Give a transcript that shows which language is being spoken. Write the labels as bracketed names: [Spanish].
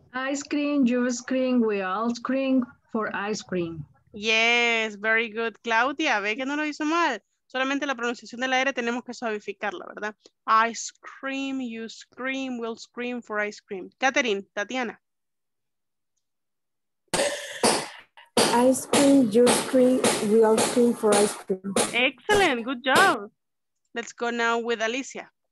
[English] Ice cream, you scream, we all scream for ice cream. Yes, very good. [Spanish] Claudia, ve que no lo hizo mal. Solamente la pronunciación de la R tenemos que suavificarla, ¿verdad? [English] Ice cream, you scream, we'll scream for ice cream. Catherine, Tatiana. Ice cream, you scream, we all scream for ice cream. Excellent, good job. Let's go now with Alicia.